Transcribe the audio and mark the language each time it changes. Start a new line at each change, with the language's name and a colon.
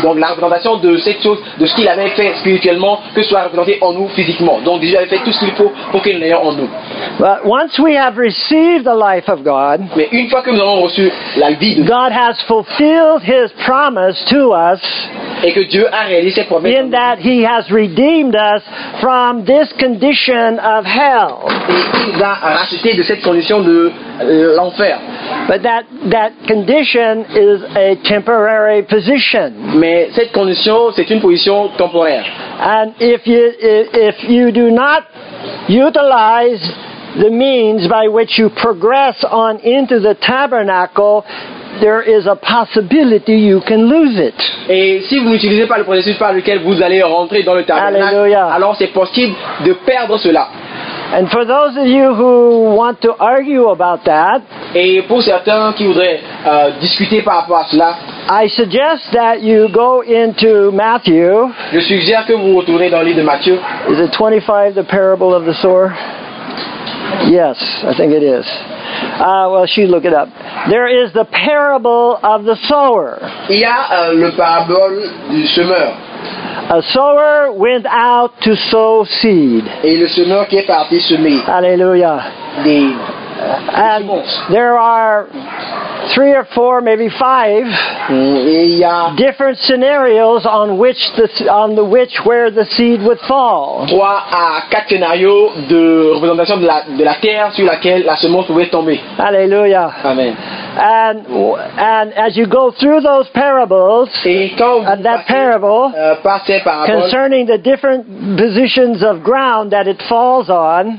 French: Donc la représentation de cette chose, de ce qu'il avait fait spirituellement, que ce soit représenté en nous physiquement. Donc Jésus avait fait tout ce qu'il faut pour qu'il l'ait en nous.
English: But once we have received the life of God,
French: mais une fois que nous avons reçu la vie de
English: God has fulfilled his promise to us,
French: et que Dieu a réalisé cette promesse,
English: in that he has redeemed us from this condition of hell,
French: et il nous a racheté de cette condition de l'enfer.
English: But that condition is a temporary position.
French: Mais cette condition, c'est une position temporaire.
English: And if you do not utilize the means by which you progress on into the tabernacle, there is a possibility you can lose it.
French: Et si vous n'utilisez pas le processus par lequel vous allez rentrer dans le tabernacle, Alleluia, alors c'est possible de perdre cela.
English: And for those of you who want to argue about that,
French: et pour certains qui voudraient discuter par rapport à cela,
English: I suggest that you go into Matthew.
French: Je suggère que vous retournez dans le livre de Matthieu.
English: Is it 25, the parable of the sower? Yes, I think it is. Well, she look it up. There is the parable of the sower.
French: Il y a le parabole du semeur.
English: A sower went out to sow seed.
French: Et le semeur qui est parti semer. Alléluia. Des
English: there are three or four, maybe five,
French: et y a
English: different scenarios where the seed would fall.
French: Trois à quatre scénarios de représentation de la terre sur laquelle la semence pouvait tomber. Alléluia. Amen.
English: And as you go through those parables, and that parable concerning the different positions of ground that it falls on,